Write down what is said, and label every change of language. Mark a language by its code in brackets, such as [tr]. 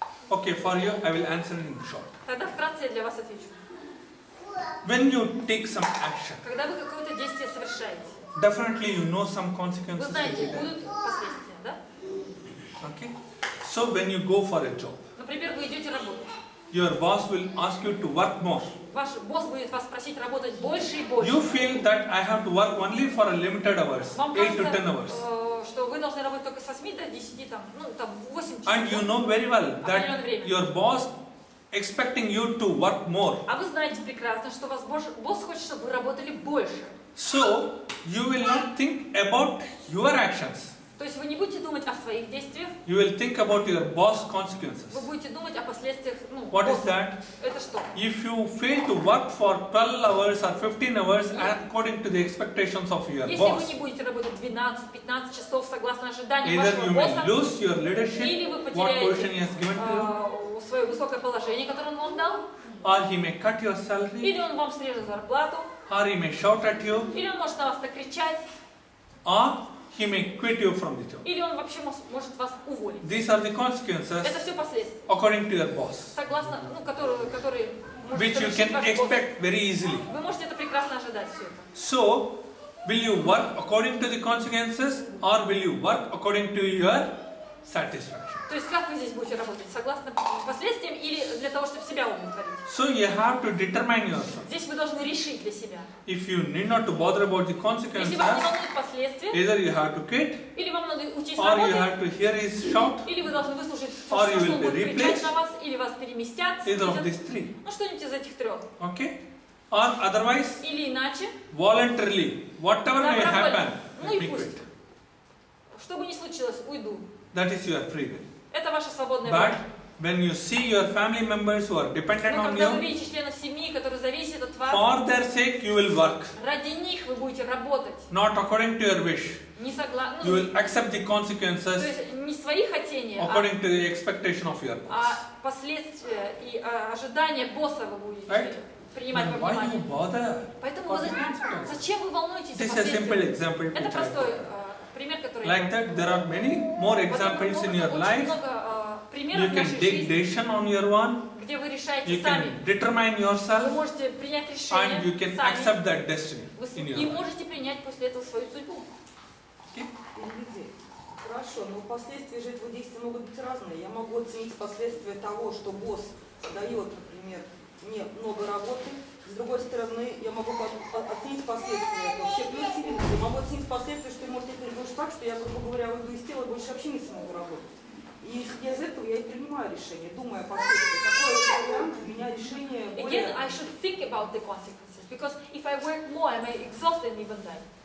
[en] Okay, for you, I will answer in short. [ru] Тогда вкратце я для вас отвечу. [en] When you take some action, [ru] когда вы какое-то действие совершаете, [en] definitely you know some consequences. [ru] Вы знаете, будут последствия, да? [en] Okay. So when you go for a job, [ru] например, вы идете работать. [en] Your boss will ask you to work more. [ru] Ваш босс будет вас просить работать больше и больше. [en] You feel that I have to work only for a limited hours, [ru] вам [en] 8 to 10 hours. [ru] Что вы должны работать только с 8 до 10, там 8 часов. [en] And you know very well that your boss expecting you to work more. [ru] А вы знаете прекрасно, что вас босс хочет, чтобы вы работали больше. [en] So you will not think about your actions. [ru] То есть вы не будете думать о своих действиях. [en] You will think about your boss consequences. [ru] Вы будете думать о последствиях, [en] what [ru] босса. [en] Is that? [ru] Это что? [en] If you fail to work for 12 hours or 15 hours according to the expectations of your [ru] если [en] boss. [ru] Если вы не будете работать 12-15 часов согласно ожиданиям [en] either [ru] вашего [en] you [ru] босса, [en] may lose your leadership, [ru] или вы потеряете [en] what position he has given to you, [ru] свое высокое положение, которое он вам дал. [en] Or he may cut your salary. [ru] Или он вам срежет зарплату. [en] Or he may shout at you. [ru] Или он может на вас накричать. [en] Or he may quit you from the job. [ru] Или он вообще может вас уволить. [en] These are the consequences. [ru] Это все последствия. [en] According to your boss. [ru] Согласно, который [en] which you can expect [ru] босс. [en] Very easily. [ru] Вы можете это прекрасно ожидать все это. [en] So, will you work according to the consequences or will you work according to your satisfaction? [ru] То есть как вы здесь будете работать? Согласно последствиям или для того, чтобы себя удовлетворить? [en] So you have to determine yourself. [ru] Здесь вы должны решить для себя. [en] If you need not to bother about the consequences, [ru] если вам не волнует последствия, [en] either you have to quit, [ru] или вам надо уйти с работы, [en] or you have to hear his shout, [ru] или вы должны выслушать то, что он будет кричать на вас, или вас переместят. [en] Either of these three. [ru] Ну что-нибудь из этих трех. [en] Okay. or otherwise, [ru] или иначе, [en] voluntarily, whatever may happen, let me quit. [ru] Что бы ни случилось, уйду. [en] That is your free will. [ru] Это ваша свободная воля. [en] But when you see your family members who are dependent on you, [ru] когда вы видите членов семьи, которые зависят от вас, [en] for their sake you will work. [ru] Ради них вы будете работать. [en] Not according to your wish. [ru] Не согласно. [en] You will accept the consequences. [ru] То есть не свои хотения. [en] According to the expectation of your boss. [ru] А последствия и ожидания босса вы будете. [en] Right? [ru] Принимать во внимание. [en] Why you bother? [ru] Поэтому зачем вы волнуетесь? [en] This is a simple example. [ru] Это простой пример, который. [en] Like that, there are many more examples in your life. You can take decision on your own. [ru] Где вы решаете сами. [en] You can determine yourself. [ru] Вы можете принять решение. [en] And you can accept that destiny. [ru] И можете принять после этого свою судьбу. Хорошо, но последствия же этого действия могут быть разные. Я могу оценить последствия того, что босс дает, например, мне много работы. С другой стороны, я могу оценить последствия этого. Вообще плюсы, минусы. Я могу оценить последствия, что может быть больше так, что я, грубо говоря, выйду из тела и больше вообще не смогу работать. И исходя из этого я и принимаю решение, думая о последствиях. Какой вариант у меня решение более... [en] Again, I should think about the consequences, because if I work more, I may exhaust and even die.